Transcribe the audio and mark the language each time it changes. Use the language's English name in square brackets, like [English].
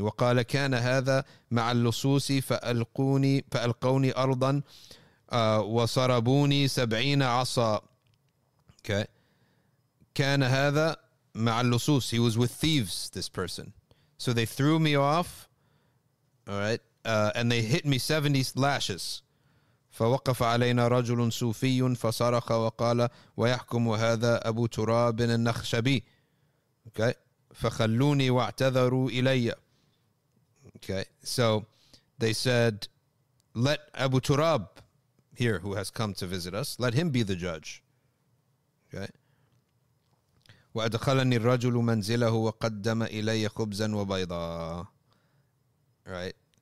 [Arabic] وَقَالَ كَانَ هَذَا مَعَ اللُّصُوصِ فَأَلْقُونِ أَرْضًا وَصَرَبُونِ سَبْعِينَ عَصَاءٍ. Okay? كان هذا مع اللصوص. [English] He was with thieves, this person. So they threw me off, all right, and they hit me 70 lashes. [Arabic] فوقف علينا رجل صوفي فصرخ وقال ويحكم هذا أبو تراب النخشبي. Okay, فخلوني واعتذروا إلي. [English] Okay, so they said, let Abu Turab here, who has come to visit us, let him be the judge. [Arabic] Okay. وَأَدْخَلَنِي الرَّجُلُ مَنْزِلَهُ وَقَدَّمَ إِلَيَّ خُبْزًا وَبَيْضًا. Right.